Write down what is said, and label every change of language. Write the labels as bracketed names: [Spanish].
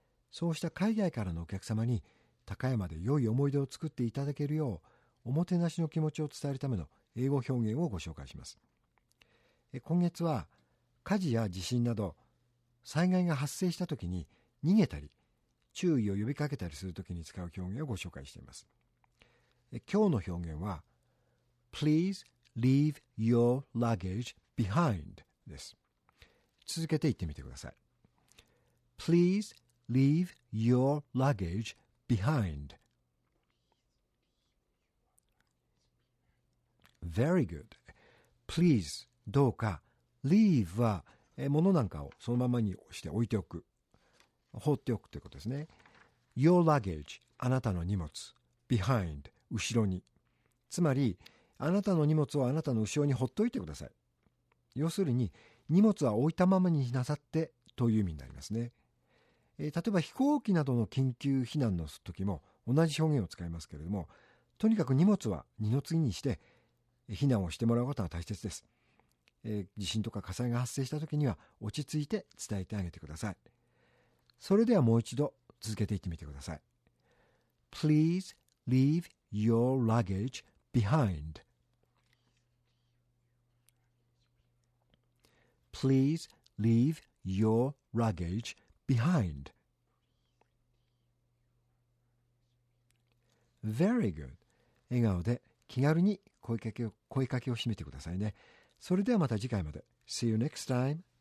[Japanese] そうした海外からのお客様に高山で良い思い出を作っていただけるよう、おもてなしの気持ちを伝えるための英語表現をご紹介します。今月は火事や地震など災害が発生したときに逃げたり、注意を呼びかけたりするときに使う表現をご紹介しています。今日の表現は [English] Please leave your luggage behind [Japanese] です。続けて言ってみてください。 [English] Please leave your luggage behind. Very good. [Japanese] Please どうか leave は物なんかをそのままにして置いておく。放っておくということですね。 [English] Your luggage [Japanese] あなたの荷物 behind 後ろに、つまりあなたの荷物をあなたの後ろに放っておいてください。要するに荷物は置いたままになさってという意味になりますね。例えば飛行機などの緊急避難の時も同じ表現を使いますけれども、とにかく荷物は二の次にして避難をしてもらうことが大切です。地震とか火災が発生した時には落ち着いて伝えてあげてください。それではもう一度続けていってみてください。 [English] Please leave your luggage behind. Please leave your luggage behind. Very good. [Japanese] 笑顔で気軽に声かけをしめてくださいね。それではまた次回まで。 [English] See you next time.